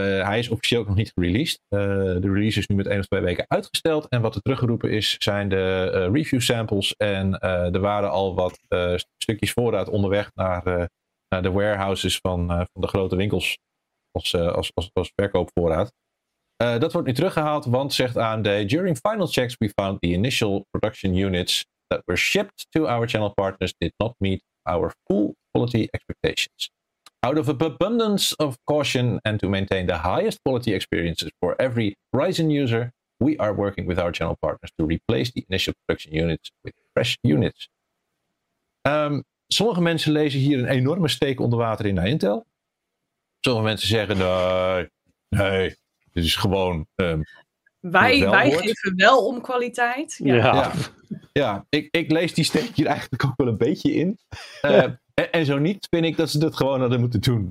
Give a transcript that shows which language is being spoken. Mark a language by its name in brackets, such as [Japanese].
[Dutch] Hij is officieel nog niet gereleased. De release is nu met 1 of 2 weken uitgesteld. En wat er teruggeroepen is, zijn de review samples. En er waren al wat stukjes voorraad onderweg naar de warehouses van de grote winkels. Als verkoopvoorraad. Dat wordt nu teruggehaald, want zegt AMD... [English] During final checks, we found the initial production units that were shipped to our channel partners did not meet our full quality expectations. Out of an abundance of caution and to maintain the highest quality experiences for every Ryzen user, we are working with our channel partners to replace the initial production units with fresh units. [Dutch] Sommige mensen lezen hier een enorme steek onder water in naar Intel. Sommige mensen zeggen, nee, dit is gewoon... Wij geven wel om kwaliteit. Ja. Ik lees die steek hier eigenlijk ook wel een beetje in. En zo niet, vind ik dat ze dat gewoon hadden moeten doen.